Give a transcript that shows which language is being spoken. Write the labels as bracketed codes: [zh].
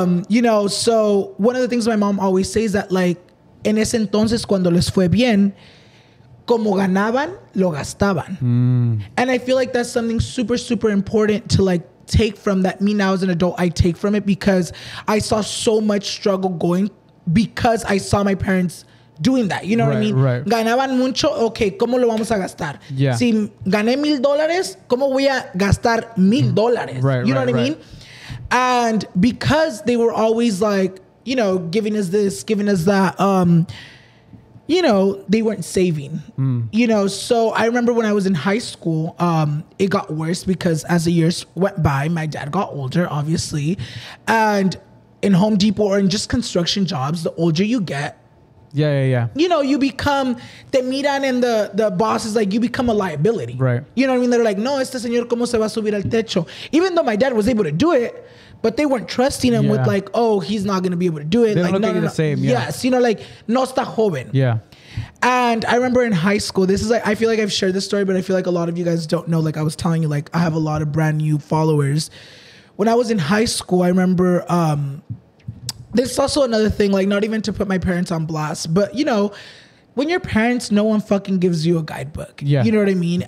[en] You know, so one of the things my mom always says that, like, [es] en ese entonces, cuando les fue bien, como ganaban, lo gastaban. [en] And I feel like that's something super, super important to, like, take from that. Me now as an adult, I take from it, because I saw so much struggle going because I saw my parents doing that, you know what I mean? [es] Ganaban mucho, okay, ¿cómo lo vamos a gastar? Si gané $1,000, ¿cómo voy a gastar $1,000? [en] You know what I mean? And because they were always like, you know, giving us this, giving us that, you know, they weren't saving. You know, so I remember when I was in high school, it got worse because as the years went by, my dad got older, obviously. And in Home Depot or in just construction jobs, the older you get, you know, you become, [es] te miran, [en] and the boss is like, you become a liability. You know what I mean? They're like, [es] no, este señor, ¿cómo se va a subir al techo? [en] Even though my dad was able to do it, but they weren't trusting him with like, oh, he's not going to be able to do it. They're like, looking the same. Yes, you know, like, [es] no está joven. [en] And I remember in high school, this is like, I feel like I've shared this story, but I feel like a lot of you guys don't know. Like I was telling you, like, I have a lot of brand new followers. When I was in high school, I remember, this is also another thing, like, not even to put my parents on blast, but, you know, when your parents, no one fucking gives you a guidebook. You know what I mean?